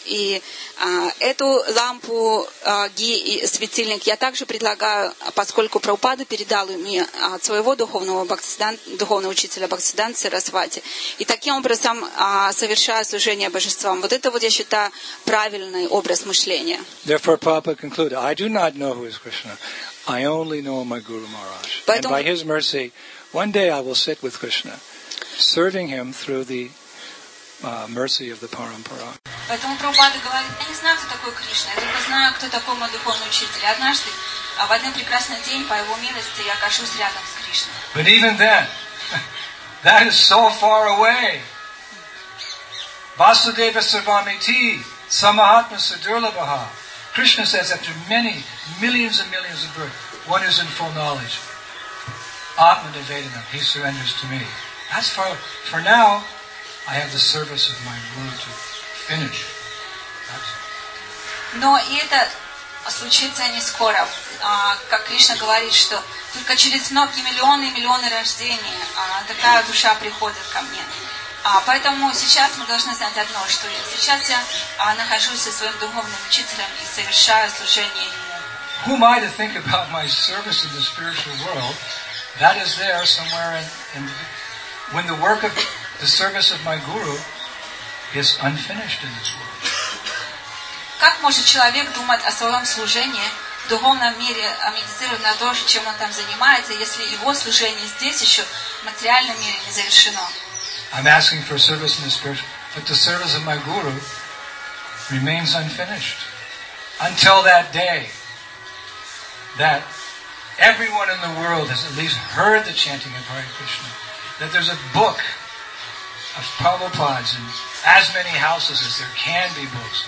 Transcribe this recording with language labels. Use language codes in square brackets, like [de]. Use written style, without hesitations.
[ru] И эту лампу, ги и светильник я также предлагаю, поскольку Прабхупада передал мне от своего духовного учителя Бхактисиддханта Сарасвати. И таким образом совершаю служение божествам. Вот это вот я считаю правильный образ мышления. [en] Therefore, Prabhupada concluded, I do not know who is Krishna. I only know my Guru Maharaj. And by his mercy, one day I will sit with Krishna. Serving him through the mercy of the parampara. [ru] Поэтому Прабхупада говорит, я не знаю, кто такой Кришна, я только знаю, кто такой мой духовный учитель. Однажды, в один прекрасный день, по его милости, я окажусь рядом с Кришной. [en] But even then, that is so far away. [sa] Vasudeva Sarvamiti, Samahatma Sadurlabaha. [en] Krishna says, after many, millions and millions of births, one is in full knowledge. [sa] Atma Devadana, [en] he surrenders to me. As for now, I have the service of my guru to finish. [ru] Но это случится не скоро. Как Кришна говорит, что только через многие миллионы и миллионы рождений такая душа приходит ко мне. Поэтому сейчас мы должны знать одно, что сейчас я нахожусь со своим духовным учителем и совершаю служение ему. [en] Who am I to think about my service in the spiritual world? That is there somewhere in the... When the work of the service of my guru is unfinished in this world. [ru] Как может человек думать о своем служении в духовном мире, о медитировании, о том, чем он там занимается, если его служение здесь еще в материальном мире не завершено? [en] I'm asking for service in the spiritual, but the service of my guru remains unfinished until that day that everyone in the world has at least heard the chanting of Hare Krishna. That there's a book of Prabhupada's in as many houses as there can be books.